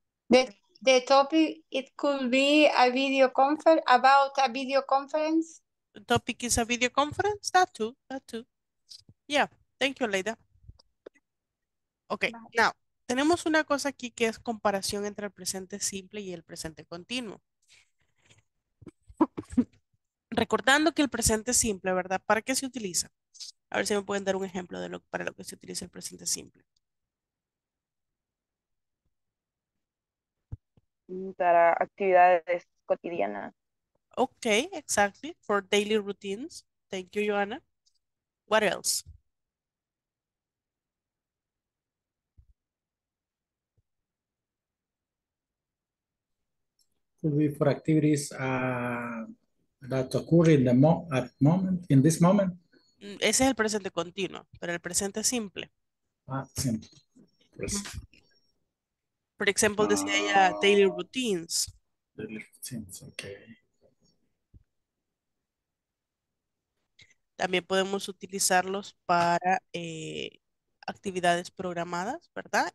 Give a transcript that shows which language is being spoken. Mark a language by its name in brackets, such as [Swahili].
[English] The topic, it could be a video conference, about a video conference. The topic is a video conference, that too. Yeah, thank you, Aleida. Okay, bye. [Spanish] Now, tenemos una cosa aquí que es comparación entre el presente simple y el presente continuo. Recordando que el presente simple, ¿verdad? ¿Para qué se utiliza? A ver si me pueden dar un ejemplo de para lo que se utiliza el presente simple. Para actividades cotidianas. [English] Ok, exactly. For daily routines. Thank you, Joanna. What else? Could be for activities that occur in the moment, in this moment. [Spanish] Ese es el presente continuo, pero el presente simple. Simple. [English] For example, [Spanish] decía ella [English] daily routines. Daily routines, okay. [Spanish] También podemos utilizarlos para actividades programadas, ¿verdad?